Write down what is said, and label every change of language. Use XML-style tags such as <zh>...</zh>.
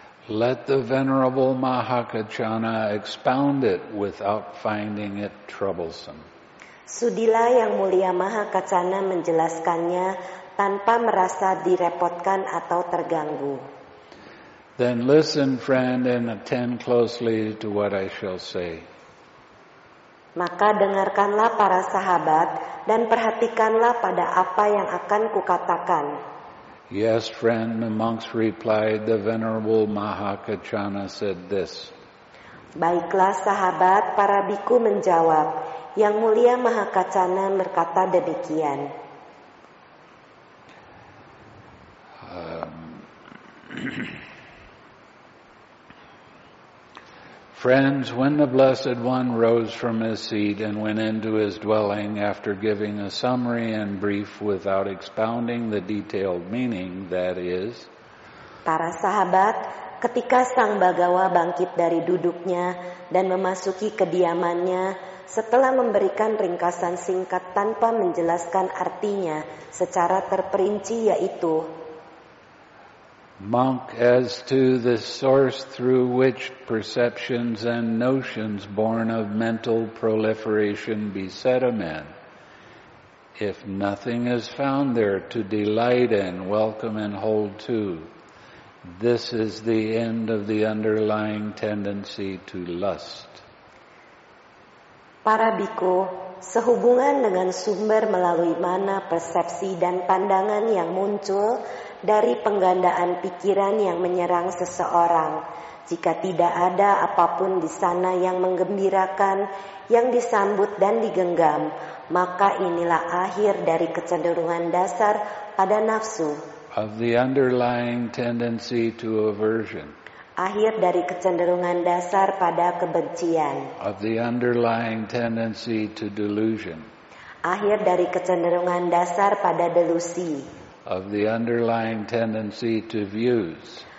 <en>Let the Venerable Mahakacana expound it without finding it troublesome.</en> <id>Sudilah Yang Mulia Mahakacana menjelaskannya tanpa merasa direpotkan atau terganggu.</id> <en>Then listen, friend, and attend closely to what I shall say.</en> <id>Maka dengarkanlah para sahabat dan perhatikanlah pada apa yang akan kukatakan.</id> <en>Yes, friend, the monks replied, the Venerable Mahakacana said this.</en> <id>Baiklah, sahabat, para bhikkhu menjawab, Yang Mulia Mahakacana berkata demikian.</id> <en>Friends, when the Blessed One rose from his seat and went into his dwelling after giving a summary and brief without expounding the detailed meaning, that is,</en> <id>para sahabat, ketika Sang Bhagava bangkit dari duduknya dan memasuki kediamannya setelah memberikan ringkasan singkat tanpa menjelaskan artinya secara terperinci, yaitu,</id> <en>Monk, as to the source through which perceptions and notions born of mental proliferation beset a man, if nothing is found there to delight in, welcome and hold to, this is the end of the underlying tendency to lust.</en> <id>Para bhikkhu, sehubungan dengan sumber melalui mana persepsi dan pandangan yang muncul dari penggandaan pikiran yang menyerang seseorang. Jika tidak ada apapun di sana yang menggembirakan, yang disambut dan digenggam, maka inilah akhir dari kecenderungan dasar pada nafsu.</id> <en>Of the underlying tendency to aversion.</en> <id>Akhir dari kecenderungan dasar pada kebencian.</id> <en>Of the underlying tendency to delusion.</en> <id>Akhir dari kecenderungan dasar pada delusi.</id> <en>Of the underlying tendency to views.</en>